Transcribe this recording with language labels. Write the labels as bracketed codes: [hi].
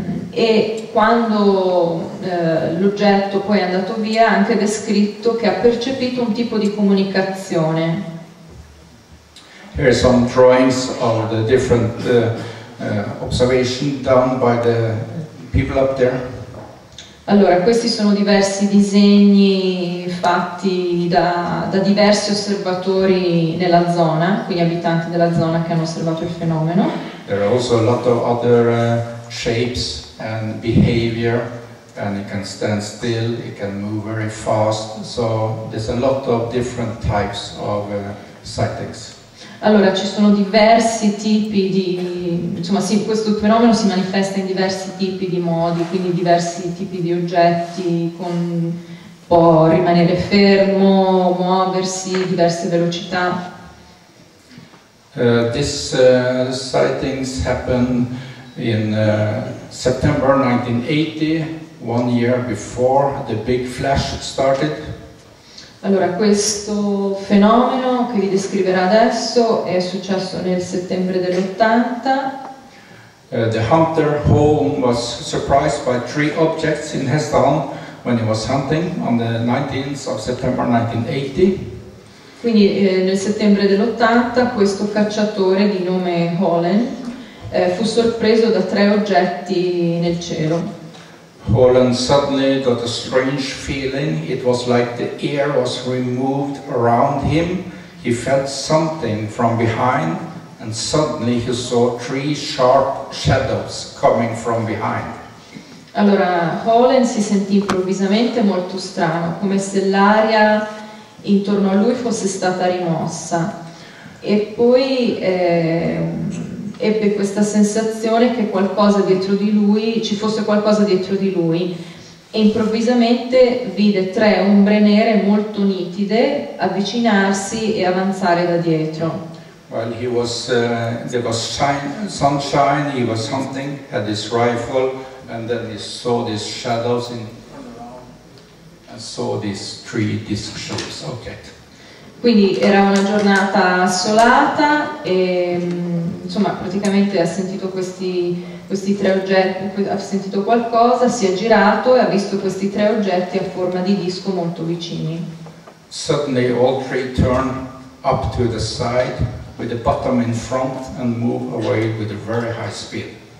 [it] E quando l'oggetto poi è andato via, ha anche descritto che ha percepito un tipo di comunicazione. [en] Here are some drawings of the different observations done by the people up there. [it] Allora, questi sono diversi disegni fatti da diversi osservatori nella zona, quindi abitanti della zona che hanno osservato il fenomeno. [en] There are also a lot of other shapes and behavior, and it can stand still, it can move very fast, so there's a lot of different types of sightings. [it] Allora, ci sono diversi tipi di, insomma, sì, questo fenomeno si manifesta in diversi tipi di modi, quindi diversi tipi di oggetti, con può rimanere fermo, muoversi, diverse velocità. [en] These sightings happen in September 1980, one year before the big flash started. [it] Allora, questo fenomeno che vi descriverà adesso è successo nel settembre dell'80. [en] The hunter home was surprised by three objects in Hesdalen when he was hunting on the 19th of September 1980. [it] Quindi nel settembre dell'80 questo cacciatore di nome Holland fu sorpreso da tre oggetti nel cielo. [en] Holland suddenly got a strange feeling. It was like the air was removed around him. He felt something from behind, and suddenly he saw three sharp shadows coming from behind. [it] Allora, Holland si sentì improvvisamente molto strano, come se l'aria intorno a lui fosse stata rimossa. E poi ebbe questa sensazione che qualcosa dietro di lui, ci fosse qualcosa dietro di lui, e improvvisamente vide tre ombre nere molto nitide avvicinarsi e avanzare da dietro. [en] While he was there was sunshine, he was hunting, had his rifle, and then he saw these shadows in and saw these three disc shapes object. [it] Quindi era una giornata solata e insomma praticamente ha sentito questi tre oggetti, ha sentito qualcosa, si è girato e ha visto questi tre oggetti a forma di disco molto vicini. [en] Suddenly all three turned up to the side with the bottom in front and moved away with a very high speed.